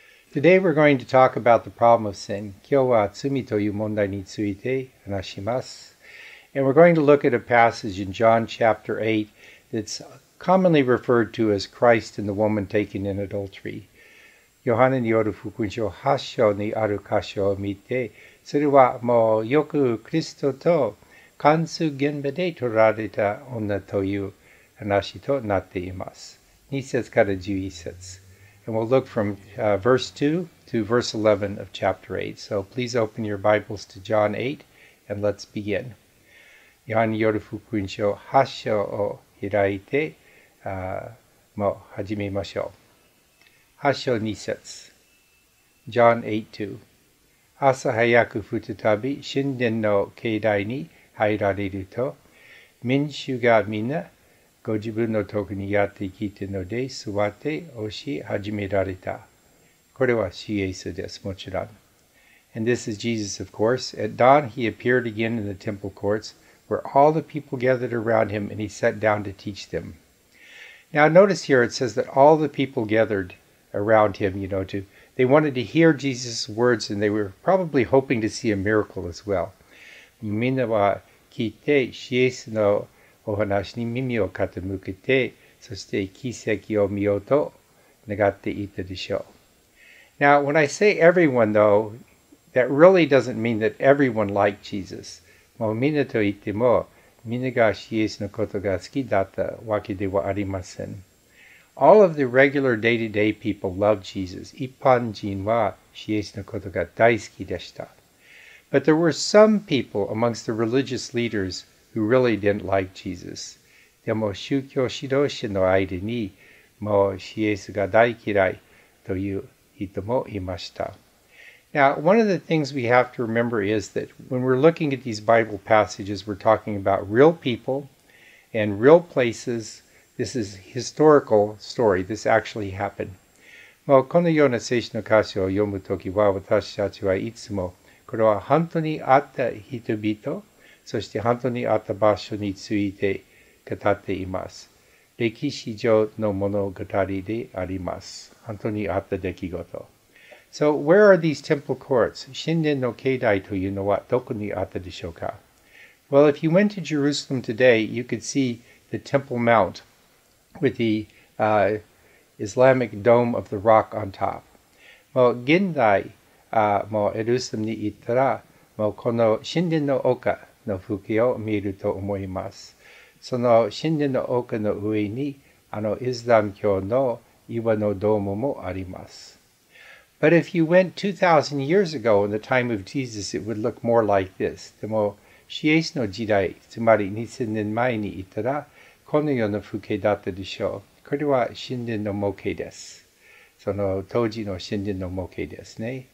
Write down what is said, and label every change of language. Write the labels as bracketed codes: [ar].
[en] Today we're going to talk about the problem of sin. [ja] 今日は罪という問題について話します。 [en] And we're going to look at a passage in John chapter 8 that's commonly referred to as Christ and the woman taken in adultery. [ja] ヨハネによる福音書8章にある箇所を見て、それはもうよくクリストと関数現場で取られた女という話となっています。 2節から11節。 [en] And we'll look from verse 2 to verse 11 of chapter 8. So please open your Bibles to John 8 and let's begin. [ja] ヨハネによる福音書8章を開いて、もう始めましょう。 8章2節。 [en] John 8, 2. [ja] 朝早く再び神殿の境内に入られると、民衆がみんなご自分のとこにやってきてので座って教え始められた。これは主イエスです、もちろん。 [en] And this is Jesus, of course. At dawn, he appeared again in the temple courts, where all the people gathered around him, and he sat down to teach them. Now, notice here, it says that all the people gathered around him, you know, they wanted to hear Jesus' words, and they were probably hoping to see a miracle as well. [ja] みんなは聞いて、主イエスのお話に耳を傾けて、そして奇跡を見ようと願っていたでしょう。 [en] Now, when I say everyone, though, that really doesn't mean that everyone liked Jesus. [ja] もうみんなと言っても、みんながイエスのことが好きだったわけではありません。 [en] All of the regular day-to-day people loved Jesus. [ja] 一般人はイエスのことが大好きでした。 [en] But there were some people amongst the religious leaders who really didn't like Jesus. [ja] でも宗教指導者の間にもうイエスが大嫌いという人もいました。 [en] Now, one of the things we have to remember is that when we're looking at these Bible passages, we're talking about real people and real places. This is a historical story. This actually happened. [ja] もうこのような聖書の箇所を読むときは私たちはいつもこれは本当にあった人々そして本当にあった場所について語っています。歴史上の物語であります。本当にあった出来事。 [en] So, where are these temple courts? [ja] 神殿の境内というのはどこにあったでしょうか? [en] Well, if you went to Jerusalem today, you could see the Temple Mount with the Islamic Dome of the Rock on top. [ja] もう現在、もうエルサレムに行ったら、もうこの神殿の丘、の風景を見ると思います。その神殿の丘の上に、あのイスラム教の岩のドームもあります。 [en] But if you went 2,000 years ago in the time of Jesus, it would look more like this. [ja] でも、イエスの時代、つまり2000年前にいたら、このような風景だったでしょう。これは神殿の模型です。その当時の神殿の模型ですね。